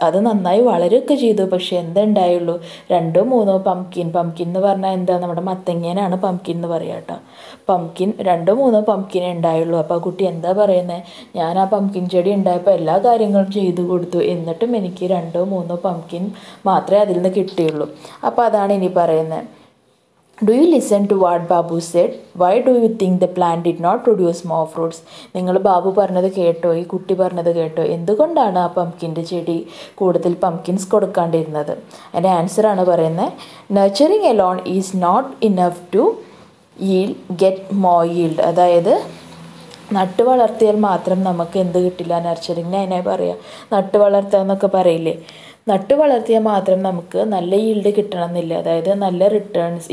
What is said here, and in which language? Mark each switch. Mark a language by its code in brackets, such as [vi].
[ml] അത് നന്നായി വളരുകയൊക്കെ ചെയ്തു, പക്ഷേ എന്തുണ്ടായുള്ളൂ, 2 or 3 പംകിൻ. പംകിൻ എന്ന് പറഞ്ഞാൽ എന്താ, നമ്മുടെ മത്തങ്ങേനാണ് പംകിൻ എന്ന് പറയുക കേട്ടോ. പംകിൻ 2 or 3 പംകിൻ ഉണ്ടായുള്ളൂ. അപ്പോൾ ആ കുട്ടി എന്താ പറയുന്നത്, ഞാൻ ആ പംകിൻ ചെടി ഉണ്ടായപ്പോൾ എല്ലാ കാര്യങ്ങളും ചെയ്തു കൊടുത്തു, എന്നിട്ടും എനിക്ക് 2 or 3 പംകിൻ മാത്രമേ അതിൽ നിന്ന് കിട്ടിയുള്ളൂ. അപ്പോൾ അതാണ് ഇനി പറയുന്നത്. [en] Do you listen to what Babu said? Why do you think the plant did not produce more fruits? [ml] നിങ്ങൾ ബാബു പറഞ്ഞത് കേട്ടോ, ഈ കുട്ടി പറഞ്ഞത് കേട്ടോ, എന്തുകൊണ്ടാണ് ആ പംകിൻ്റെ ചെടി കൂടുതൽ പംകിൻസ് കൊടുക്കാണ്ടിരുന്നത്? അതിൻ്റെ ആൻസറാണ് പറയുന്നത്, [en] Nurturing alone is not enough to yield get more yield. [ml] അതായത് നട്ട് വളർത്തിയാൽ മാത്രം നമുക്ക് എന്ത് കിട്ടില്ല, നർച്ചറിങ്ങിനെ അതിനെ പറയുക, നട്ട് വളർത്തുക എന്നൊക്കെ പറയില്ലേ, നട്ട് വളർത്തിയാൽ മാത്രം നമുക്ക് നല്ല ഈൽഡ് കിട്ടണമെന്നില്ല, അതായത് നല്ല റിട്ടേൺസ്.